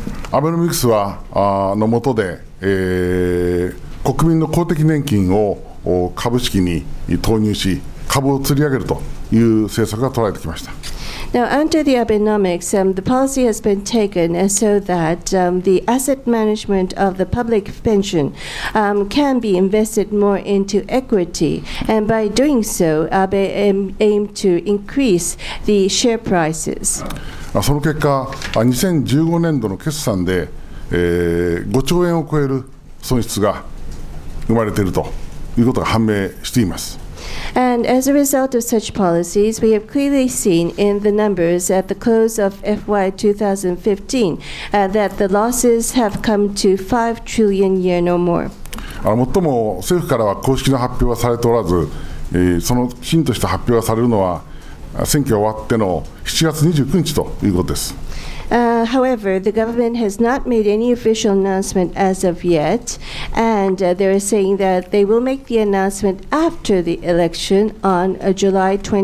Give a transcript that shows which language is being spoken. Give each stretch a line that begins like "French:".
Japanese: アベノミクスはの下で、国民の公的年金を株式に投入し、株を釣り上げるという政策が取られてきました。
English: Now, under the Abenomics, the policy has been taken so that the asset management of the public pension can be invested more into equity. And by doing so, Abe aimed to increase the share prices.
Japanese: その結果、2015年度の決算で、5兆円を超える損失が生まれているということが判明しています。
English: And as a result of such policies, we have clearly seen in the numbers at the close of FY 2015, that the losses have come to 5 trillion yen or more.
Japanese: 最も政府からは公式な発表はされておらず、そのきちんとした発表がされるのは選挙終わっての7月29日ということです。
English: However, the government has not made any official announcement as of yet, and they are saying that they will make the announcement after the election on July